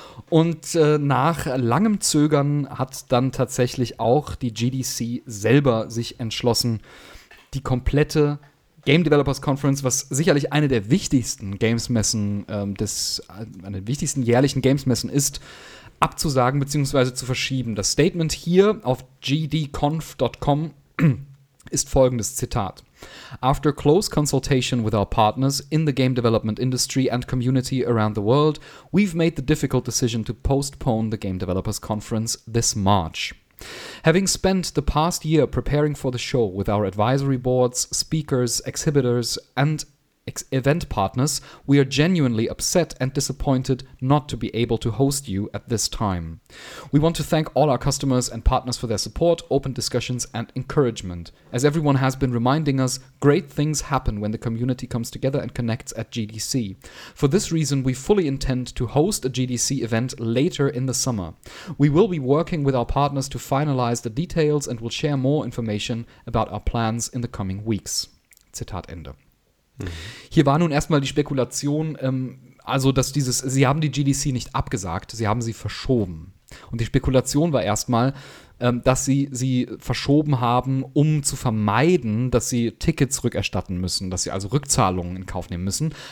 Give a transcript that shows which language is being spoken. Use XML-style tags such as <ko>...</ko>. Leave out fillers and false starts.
<de>Und nach langem Zögern hat dann tatsächlich auch die GDC selber sich entschlossen, die komplette Game Developers Conference, was sicherlich eine der wichtigsten Games-Messen, eine der wichtigsten jährlichen Games-Messen ist, abzusagen bzw. zu verschieben. Das Statement hier auf gdconf.com ist folgendes Zitat.</de> <en>After close consultation with our partners in the game development industry and community around the world, we've made the difficult decision to postpone the Game Developers Conference this March. Having spent the past year preparing for the show with our advisory boards, speakers, exhibitors, and event partners, we are genuinely upset and disappointed not to be able to host you at this time. We want to thank all our customers and partners for their support, open discussions and encouragement. As everyone has been reminding us, great things happen when the community comes together and connects at GDC. For this reason, we fully intend to host a GDC event later in the summer. We will be working with our partners to finalize the details and will share more information about our plans in the coming weeks.</en> <de>Zitat Ende. Hier war nun erstmal die Spekulation, sie haben die GDC nicht abgesagt, sie haben sie verschoben. Und die Spekulation war erstmal, dass sie verschoben haben, um zu vermeiden, dass sie Tickets rückerstatten müssen, dass sie also Rückzahlungen in Kauf nehmen müssen.</de>